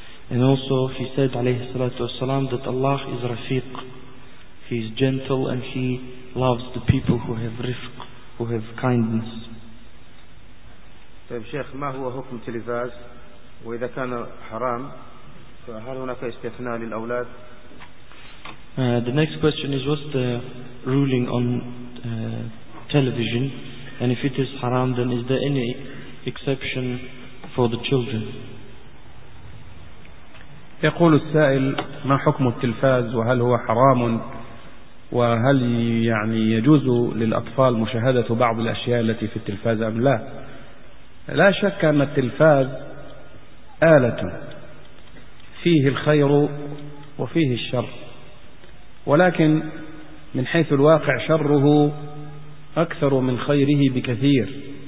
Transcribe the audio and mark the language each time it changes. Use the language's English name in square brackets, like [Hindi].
[English] And also he said alayhi salatu wasalam that Allah is rafiq, he is gentle and he loves the people who have rifq, who have kindness. [Arabic] طيب شيخ، ما هو حكم التلفاز؟ واذا كان حرام فهل هناك استثناء للاولاد؟ [English] The next question is, what's the ruling on television, and if it is haram then is there any exception for the children? [Arabic] يقول السائل ما حكم التلفاز وهل هو حرام وهل يعني يجوز للأطفال مشاهدة بعض الأشياء التي في التلفاز أم لا؟ لا شك أن التلفاز آلة فيه الخير وفيه الشر، ولكن من حيث الواقع شره أكثر من خيره بكثير،